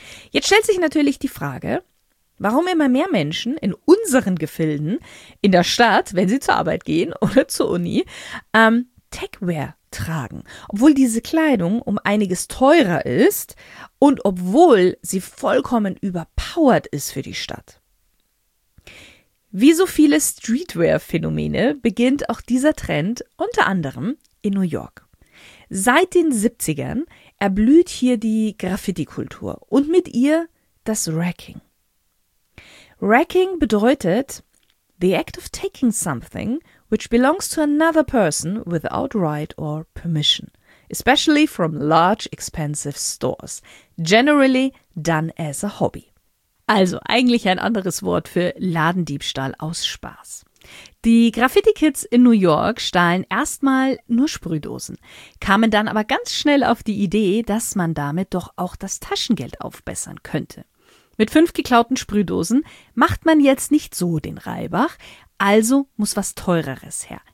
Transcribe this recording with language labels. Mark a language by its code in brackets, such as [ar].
[de] Jetzt stellt sich natürlich die Frage, warum immer mehr Menschen in unseren Gefilden, in der Stadt, wenn sie zur Arbeit gehen oder zur Uni, Techwear tragen, obwohl diese Kleidung um einiges teurer ist und obwohl sie vollkommen überpowered ist für die Stadt. Wie so viele Streetwear-Phänomene beginnt auch dieser Trend unter anderem in New York. Seit den 70ern erblüht hier die Graffiti-Kultur und mit ihr das Racking. [en] Racking [de] bedeutet [en] the act of taking something which belongs to another person without right or permission, especially from large expensive stores, generally done as a hobby. [de] Also eigentlich ein anderes Wort für Ladendiebstahl aus Spaß. Die Graffiti-Kids in New York stahlen erstmal nur Sprühdosen, kamen dann aber ganz schnell auf die Idee, dass man damit doch auch das Taschengeld aufbessern könnte. Mit 5 geklauten Sprühdosen macht man jetzt nicht so den Reibach, also muss was Teureres her.